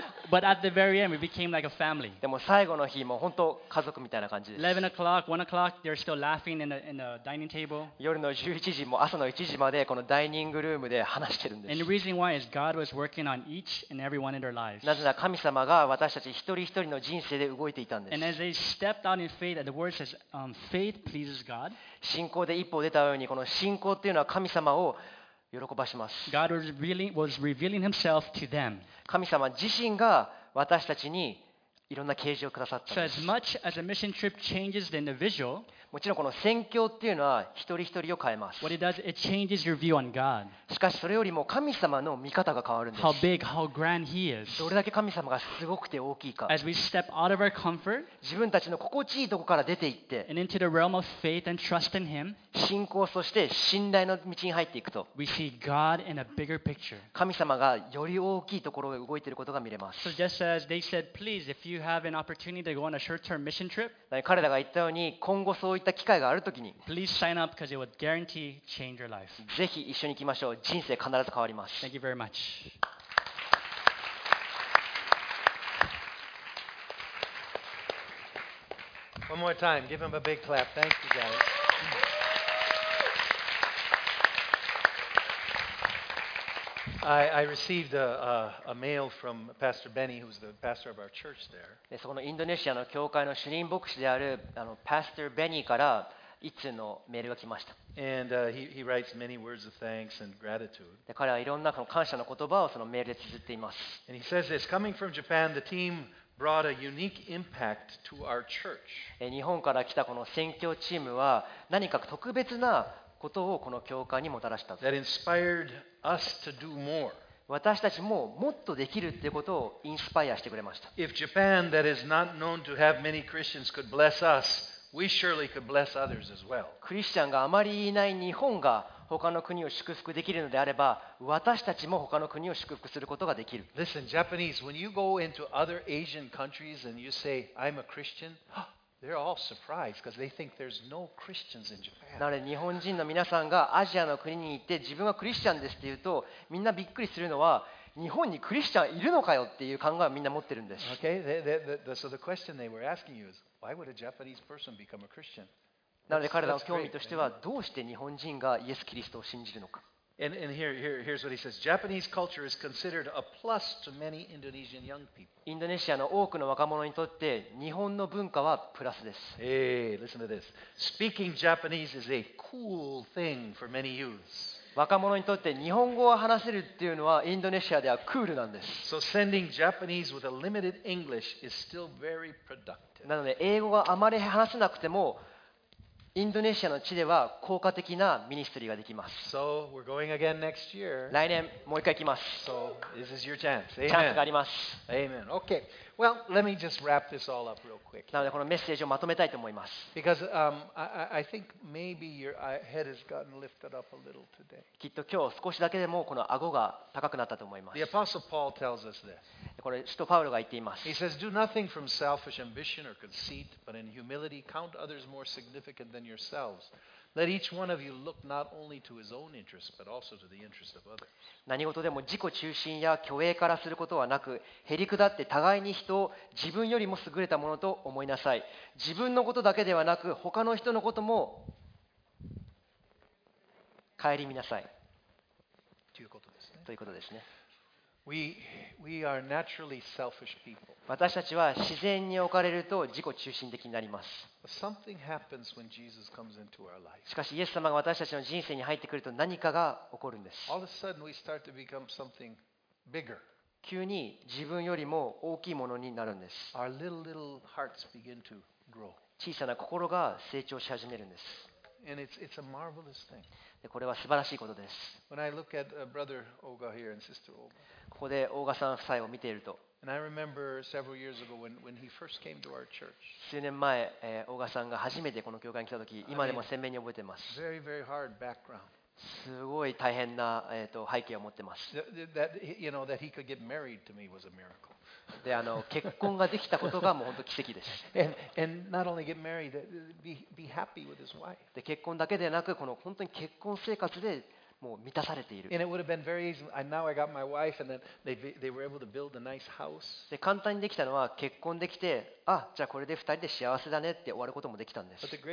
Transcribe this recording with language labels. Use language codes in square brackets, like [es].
[en] But at the very end, we became like a family. [ja] でも最後の日も本当家族みたいな感じです。 [en] 11 o'clock, 1 o'clock, they're still laughing in the dining table. [ja] 夜の11時も朝の1時までこのダイニングルームで話してるんです。 [en] And the reason why is God was working on each and every one in their lives. [ja] なぜなら神様が私たち一人一人の人生で動いていたんです。 [en] And as they stepped out in faith, the word says, faith pleases God. [ja] 信仰で一歩出たようにこの信仰っていうのは神様を喜ばします。 [en] God was revealing himself to them. [ja] 神様自身が私たちにいろんな啓示をくださったんです。 [en] So as much as a mission trip changes the individual, [ja] もちろんこの宣教っていうのは一人一人を変えます。 [en] What it does, it changes your view on God. [ja] しかしそれよりも神様の見方が変わるんです。 [en] How big, how grand he is. [ja] どれだけ神様がすごくて大きいか。 [en] As we step out of our comfort, [ja] 自分たちの心地いいとこから出ていって、 [en] and into the realm of faith and trust in him, [ja] 信仰そして信頼の道に入っていくと、 [en] we see God in a bigger picture. [ja] 神様がより大きいところが動いていることが見れます。 [en] So just as they said, please, if you have an opportunity to go on a short-term mission trip, [ja] 彼らが言ったように今後そういった機会があるときに、 [en] please sign up because it would guarantee change your life. [ja] ぜひ一緒に行きましょう。人生必ず変わります。 [en] Thank you very much. One more time. Give them a big clap. Thank you, guys. I received a mail from Pastor Benny, who's the pastor of our church there. [ja] そこのインドネシアの教会の主任牧師であるPastor Bennyから一通のメールが来ました。 [en] And he writes many words of thanks and gratitude. [ja] で、彼はいろんな感謝の言葉をそのメールで綴っています。 [en] And he says this, coming from Japan, the team brought a unique impact to our church. [ja] 日本から来たこの宣教チームは何か特別なことをこの教会にもたらした。 [en] That inspired us to do more. [ja] 私たちももっとできるってことをインスパイアしてくれました。 [en] If Japan, that is not known to have many Christians, could bless us, we surely could bless others as well. [ja] クリスチャンがあまりいない日本が他の国を祝福できるのであれば、私たちも他の国を祝福することができる。 [en] Listen, Japanese, when you go into other Asian countries and you say, I'm a Christian, they're all surprised because they think there's no Christians in Japan. [ja] なので日本人の皆さんがアジアの国に行って自分はクリスチャンですって言うと、みんなびっくりするのは、日本にクリスチャンいるのかよっていう考えをみんな持ってるんです。 [en] Okay, so the question they were asking you is, why would a Japanese person become a Christian? [ja] なので彼らの興味としてはどうして日本人がイエス・キリストを信じるのか。 [en] And here's what he says. Japanese culture is considered a plus to many Indonesian young people. [ja] インドネシアの多くの若者にとって日本の文化はプラスです。 [en] Hey, listen to this. Speaking Japanese is a cool thing for many youths. [ja] 若者にとって日本語を話せるっていうのはインドネシアではクールなんです。 [en] So sending Japanese with a limited English is still very productive. [ja] なので英語があまり話せなくてもインドネシアの地では効果的なミニストリーができます。 [en] So, we're going again next year. [ja] 来年もう一回行きます。 [en] So, this is your chance. [ja] チャンスがあります。 [en] Amen. Okay. Well, let me just wrap this all up real quick. [ja] なのでこのメッセージをまとめたいと思います。 [en] Because I think maybe your head has gotten lifted up a little today. [ja] きっと今日少しだけでもこの顎が高くなったと思います。 [en] The Apostle Paul tells us this. [ja] これ使徒パウロが言っています。 [en] He says, "Do nothing from selfish ambition or conceit, but in humility count others more significant than yourselves." Let each one of you look not only to his own interest, but also to the interest of others. [ja] 何事でも自己中心や虚栄からすることはなく、へりくだって互いに人を自分よりも優れたものと思いなさい。自分のことだけではなく、他の人のことも顧みなさい。ということですね。ということですね。 [en] We are naturally selfish people. [ja] 私たちは自然に置かれると自己中心的になります。 [en] Something happens when Jesus comes into our life. [ja] しかしイエス様が私たちの人生に入ってくると何かが起こるんです。 [en] All of a sudden we start to become something bigger. [ja] 急に自分よりも大きいものになるんです。 [en] Our little hearts begin to grow. [ja] 小さな心が成長し始めるんです。 [en] And it's a marvelous thing. [ja] これは素晴らしいことです。 [en] When I look at Brother Oga here and Sister Oga. [ja] ここで大賀さん夫妻を見ていると。 [en] And I remember several years ago when he first came to our church. [ja] 数年前、大賀さんが初めてこの教会に来た時、今でも鮮明に覚えています。 [en] Very, very hard background. [ja] すごい大変な、背景を持ってます。 [en] That, you know, that he could get married to me was a miracle. [ja] で結婚ができたことがもう本当奇跡です。で結婚だけでなくこの本当に結婚生活でもう満たされている。で簡単にできたのは結婚できて、あ、じゃあこれで二人で幸せだねって終わることもできたんです。